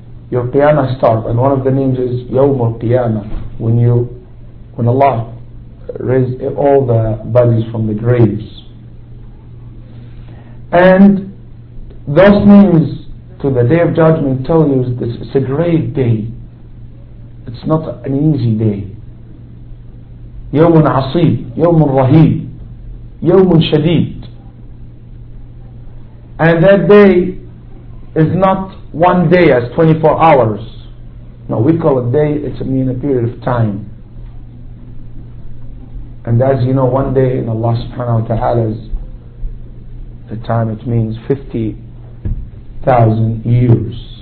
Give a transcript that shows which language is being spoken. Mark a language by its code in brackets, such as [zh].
[en] Your qiyamah starts, and one of the names is Yawm al-Qiyamah, when Allah raised all the bodies from the graves. And those names to the day of judgment tell you this, it's a great day. It's not an easy day. [ar] يوم عصيب, يوم رهيب, يوم شديد. [en] And that day is not one day as 24 hours. No, we call it day, it's a period of time. And as you know, one day in Allah subhanahu wa ta'ala's the time, it means 50,000 years.